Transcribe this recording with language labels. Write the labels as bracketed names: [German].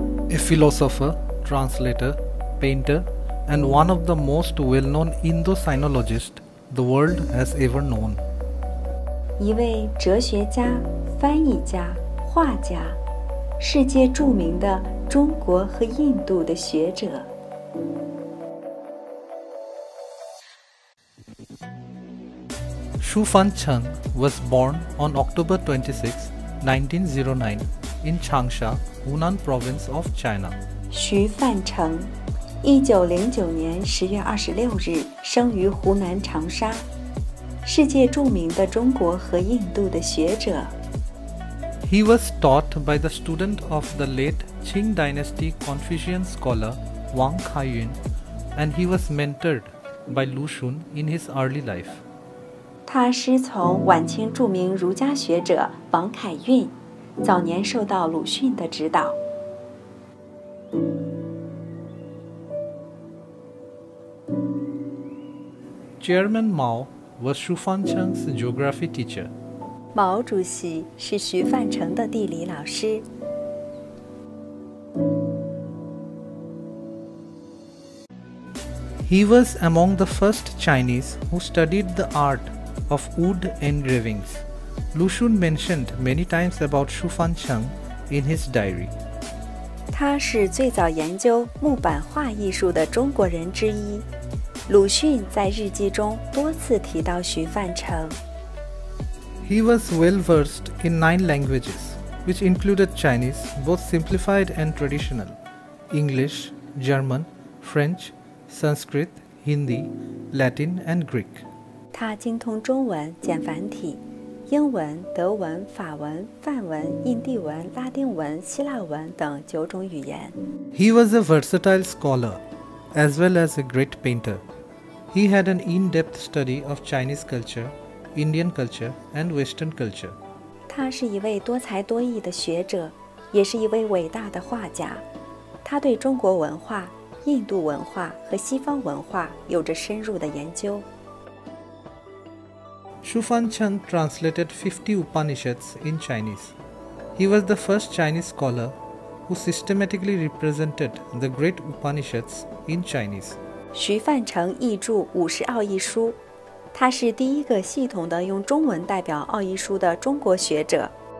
[English] A philosopher, translator, painter, and one of the most well-known Indo-Sinologists the world has ever known. [Chinese] 一位哲学家、翻译家、画家，世界著名的中国和印度的学者。 [English] XuFancheng was born on October 26, 1909, in Changsha, Hunan Province of China. [Chinese] 徐范成 1909年10月26日生于湖南长沙，世界著名的中国和印度的学者。 [English] He was taught by the student of the late Qing Dynasty Confucian scholar Wang Kaiyun, and he was mentored by Lu Xun in his early life. [Chinese] 他师从晚清著名儒家学者王凯运，早年受到鲁迅的指导。 [English] Chairman Mao was XuFancheng's geography teacher. [Chinese] 毛主席是徐范成的地理老师。 [English] He was among the first Chinese who studied the art of wood engravings. Lu Xun mentioned many times about XuFancheng in his diary. [Chinese] 他是最早研究木板画艺术的中国人之一。鲁迅在日记中多次提到徐范成。 [English] He was well-versed in 9 languages, which included Chinese, both simplified and traditional, English, German, French, Sanskrit, Hindi, Latin, and Greek. [Chinese] 他精通中文、简繁体、英文、德文、法文、梵文、印地文、拉丁文、希腊文等九种语言。 [English] He was a versatile scholar, as well as a great painter. He had an in-depth study of Chinese culture, Indian culture, and Western culture. [Chinese] 他是一位多才多艺的学者，也是一位伟大的画家。他对中国文化、印度文化和西方文化有着深入的研究。 [English] XuFancheng translated 50 Upanishads in Chinese. He was the first Chinese scholar who systematically represented the great Upanishads in Chinese. [Chinese] 徐范成译著五十奥义书，他是第一个系统的用中文代表奥义书的中国学者。